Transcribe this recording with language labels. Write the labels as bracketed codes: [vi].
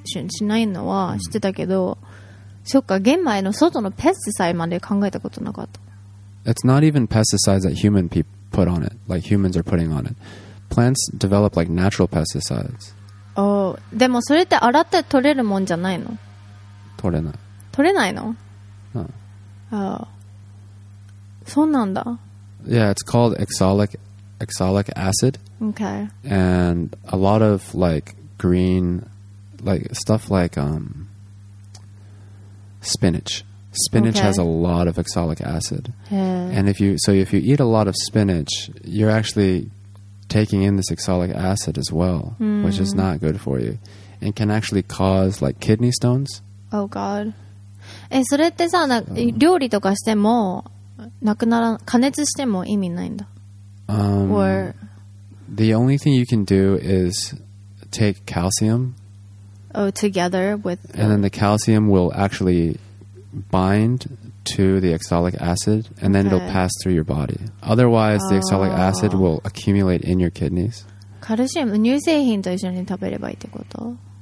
[ja] しないのは知ってたけど、そっか、玄米の外のペスティサイドまで考えたことなかった。 [en] It's not even pesticides that human people put on it, like humans are putting on it. Plants develop like natural pesticides. [ja] Oh, でもそれって洗って取れるもんじゃないの？取れない。取れないの？ [en] No. [ja] Oh. そうなんだ。 [en] Yeah, it's called oxalic acid. Okay. And a lot of like green... Like stuff like spinach has a lot of oxalic acid, and if you eat a lot of spinach, you're actually taking in this oxalic acid as well, which is not good for you, and can actually cause like kidney stones. Oh God. [ja] それってさ、料理とかしてもなくなら、加熱しても意味ないんだ。 [en] Or the only thing you can do is take calcium. Oh, together with. And then the calcium will actually bind to the oxalic acid, and then it'll pass through your body. Otherwise, the oxalic acid will accumulate in your kidneys. [ja] カルシウム、乳製品と一緒に食べればいいってこと?